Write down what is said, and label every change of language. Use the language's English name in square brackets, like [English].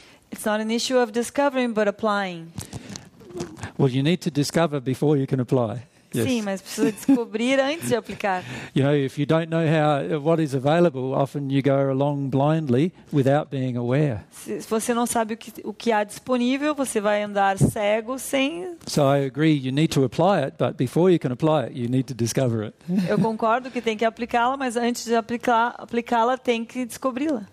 [English] It's not an issue of discovering, but applying. Well, you need to discover before you can apply. Yes. [Portuguese] Sim, mas precisa descobrir antes de aplicar. [English] You know, if you don't know what is available, often you go along blindly without being aware. [Portuguese] Se você não sabe o que há disponível, você vai andar cego sem. [English] So I agree, you need to apply it, but before you can apply it, you need to discover it. [Portuguese] Eu concordo que tem que aplicá-la, mas antes de aplicá-la, tem que descobri-la.